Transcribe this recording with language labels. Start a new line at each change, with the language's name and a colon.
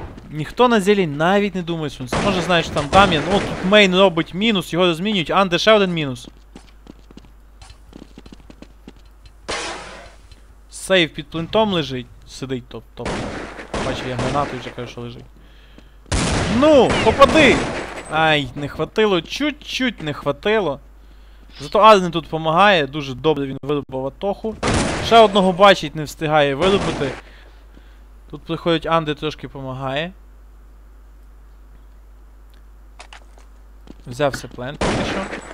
Ukrainian: Ніхто на зелі навіть не думає сунці. Може знає, що там Дам'ян. О, тут Мейн робить мінус, його розмінюють. Анде, ще один мінус. Сейв під плентом лежить. Сидить топ-топ. Бачу, я гранату вже кажу, що лежить. Ну, попади!
Russian: Ай, не хватило, чуть-чуть не хватило.
Ukrainian: Зато Арни тут допомагає, дуже добре він вирубав Атоху. Ще одного бачить, не встигає вирубити. Тут приходить Анди, трошки допомагає. Взяв сеплент, хорошо.